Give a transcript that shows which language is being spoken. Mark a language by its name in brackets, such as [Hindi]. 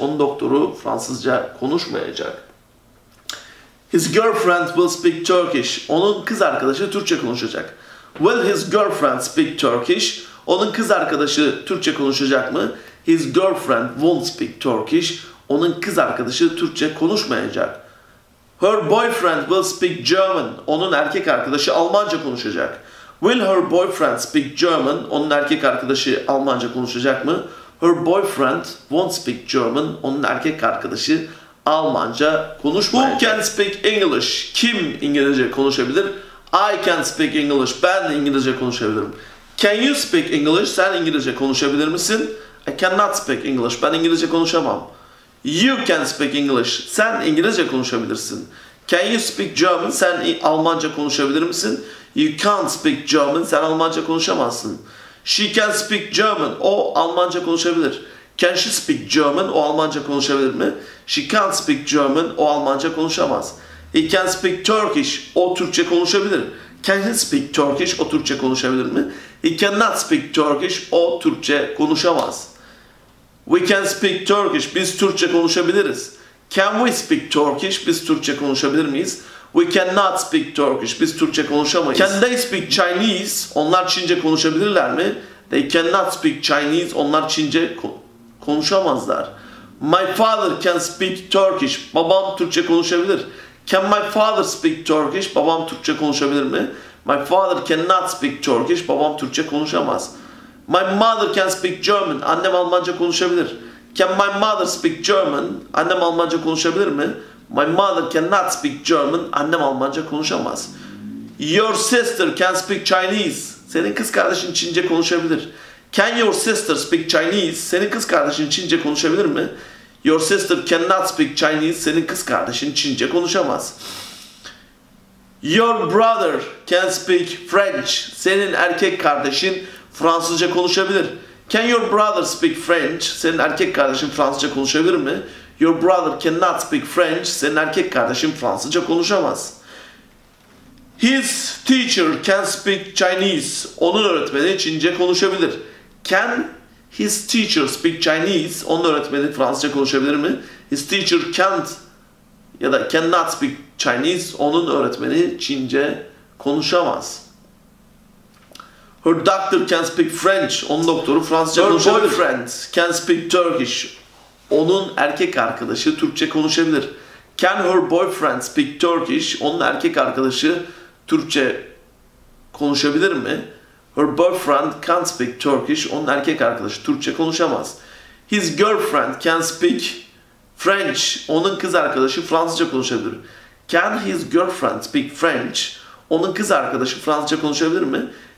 [Turkish] Onun doktoru Fransızca konuşmayacak. [English] His girlfriend will speak Turkish. [Turkish] Onun kız arkadaşı Türkçe konuşacak. [English] Will his girlfriend speak Turkish? [Turkish] Onun kız arkadaşı Türkçe konuşacak mı? [English] His girlfriend won't speak Turkish. [Turkish] Onun kız arkadaşı Türkçe konuşmayacak. [English] Her boyfriend will speak German. [Turkish] Onun erkek arkadaşı Almanca konuşacak. [English] Will her boyfriend speak German? [Turkish] Onun erkek arkadaşı Almanca konuşacak mı? [English] Her boyfriend won't speak German. [Turkish] Onun erkek arkadaşı Almanca konuşmayacak. [English] Who can speak English? [Turkish] Kim İngilizce konuşabilir? [English] I can speak English. [Turkish] Ben İngilizce konuşabilirim. [English] Can you speak English? [Turkish] Sen İngilizce konuşabilir misin? [English] I cannot speak English. [Turkish] Ben İngilizce konuşamam. [English] You can speak English. [Turkish] Sen İngilizce konuşabilirsin. [English] Can you speak German? [Turkish] Sen Almanca konuşabilir misin? [English] You can't speak German. [Turkish] Sen Almanca konuşamazsın. [English] She can speak German. [Turkish] O Almanca konuşabilir. [English] Can she speak German? [Turkish] O Almanca konuşabilir mi? [English] She can't speak German. [Turkish] O Almanca konuşamaz. [English] He can speak Turkish. [Turkish] O Türkçe konuşabilir. [English] Can he speak Turkish? [Turkish] O Türkçe konuşabilir mi? [English] He cannot speak Turkish. [Turkish] O Türkçe konuşamaz. [English] We can speak Turkish. [Turkish] Biz Türkçe konuşabiliriz. [English] Can we speak Turkish? [Turkish] Biz Türkçe konuşabilir miyiz? [English] We cannot speak Turkish. [Turkish] Biz Türkçe konuşamayız. [English] Can they speak Chinese? [Turkish] Onlar Çince konuşabilirler mi? [English] They cannot speak Chinese. [Turkish] Onlar Çince konuşamazlar. [English] My father can speak Turkish. [Turkish] Babam Türkçe konuşabilir. [English] Can my father speak Turkish? [Turkish] Babam Türkçe konuşabilir mi? [English] My father cannot speak Turkish. [Turkish] Babam Türkçe konuşamaz. [English] My mother can speak German. [Turkish] Annem Almanca konuşabilir. [English] Can my mother speak German? [Turkish] Annem Almanca konuşabilir mi? [English] My mother cannot speak German. [Turkish] Annem Almanca konuşamaz. [English] Your sister can speak Chinese. [Turkish] Senin kız kardeşin Çince konuşabilir. [English] Can your sister speak Chinese? [Turkish] Senin kız kardeşin Çince konuşabilir mi? [English] Your sister cannot speak Chinese. [Turkish] Senin kız kardeşin Çince konuşamaz. [English] Your brother can speak French. [Turkish] Senin erkek kardeşin Fransızca konuşabilir. [English] Can your brother speak French? [Turkish] Senin erkek kardeşin Fransızca konuşabilir mi? [English] Your brother cannot speak French. [Turkish] Senin erkek kardeşin Fransızca konuşamaz. [English] His teacher can speak Chinese. [Turkish] Onun öğretmeni Çince konuşabilir. [English] Can his teacher speak Chinese? [Turkish] Onun öğretmeni Fransızca konuşabilir mi? [English] His teacher can't [Turkish] ya da [English] cannot speak Chinese. [Turkish] Onun öğretmeni Çince konuşamaz. [English] Her doctor can speak French. [Turkish] Onun doktoru Fransızca konuşabilir. [English] Her boyfriend can speak Turkish. [Turkish] Onun erkek arkadaşı Türkçe konuşabilir. [English] Can her boyfriend speak Turkish? [Turkish] Onun erkek arkadaşı Türkçe konuşabilir mi? [English] Her boyfriend can't speak Turkish. [Turkish] Onun erkek arkadaşı Türkçe konuşamaz. [English] His girlfriend can speak French. [Turkish] Onun kız arkadaşı Fransızca konuşabilir. [English] Can his girlfriend speak French? [Turkish] Onun kız arkadaşı Fransızca konuşabilir mi?